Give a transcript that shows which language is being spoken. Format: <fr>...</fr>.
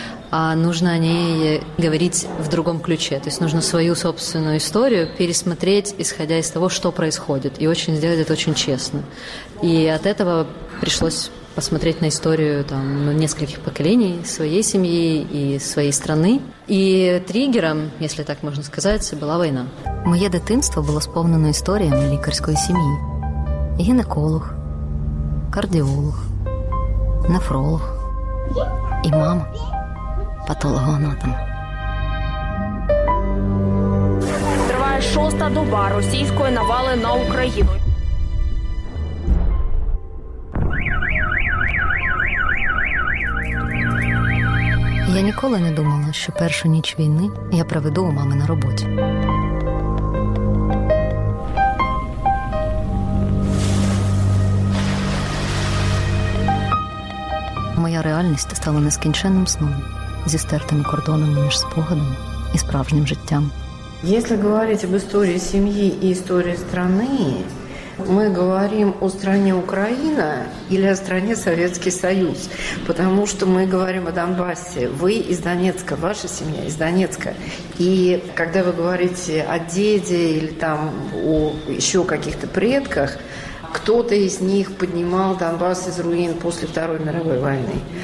<ru>А нужно о ней говорить в другом ключе. То есть нужно свою собственную историю пересмотреть, исходя из того, что происходит. И очень сделать это очень честно. И от этого пришлось посмотреть на историю там, нескольких поколений своей семьи и своей страны. И триггером, если так можно сказать, была война.</ru> <uk>Моє дитинство було сповнено історіями лікарської сім'ї. Гінеколог, кардіолог, нефролог і мама. Патологоанатом. Триває шоста доба російської навали на Україну. Я ніколи не думала, що першу ніч війни я проведу у мами на роботі. Моя реальність стала нескінченним сном. Зі стертими кордонами між спогадами і справжнім життям.</uk> <ru>Если говорить об истории семьи и истории страны, мы говорим о стране Украина или о стране Советский Союз, потому что мы говорим о Донбассе. Вы из Донецка, ваша семья из Донецка. И когда вы говорите о деде или там о еще каких-то предках, кто-то из них поднимал Донбасс из руин после Второй мировой войны.</ru>